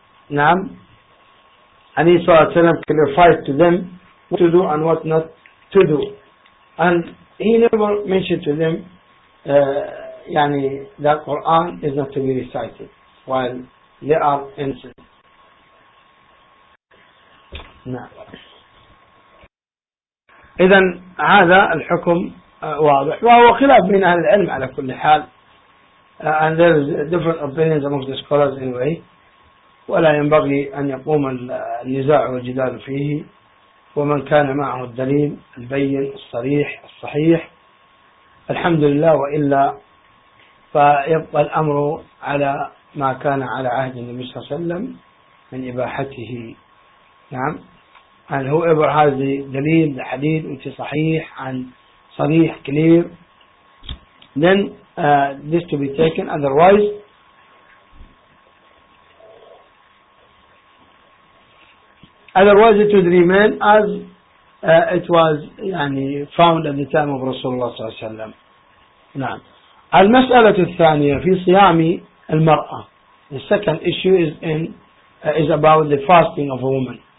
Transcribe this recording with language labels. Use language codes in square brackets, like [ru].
[en] نعم، and he [ar] صلى الله عليه وسلم [en] clarified to them what to do and what not to do, and he never mentioned to them يعني that Quran is not to be recited while they are infants. [ar] نعم. إذن هذا الحكم واضح، وهو خلاف بين أهل العلم على كل حال. [en] And there is different opinions among the scholars anyway. [ar] ولا ينبغي أن يقوم النزاع والجدال فيه. ومن كان معه الدليل البين الصريح الصحيح الحمد لله، وإلا فيبقى الأمر على ما كان على عهد النبي صلى الله عليه وسلم من إباحته. [en] نعم، and whoever has the دليل the حديث which is صحيح and صريح clear, then this to be taken. Otherwise, it would remain as it was يعني found at the time of [ar] رسول الله صلى الله عليه وسلم. نعم. المسألة الثانية في صيام المرأة. [en] The second issue is in is about the fasting of a woman.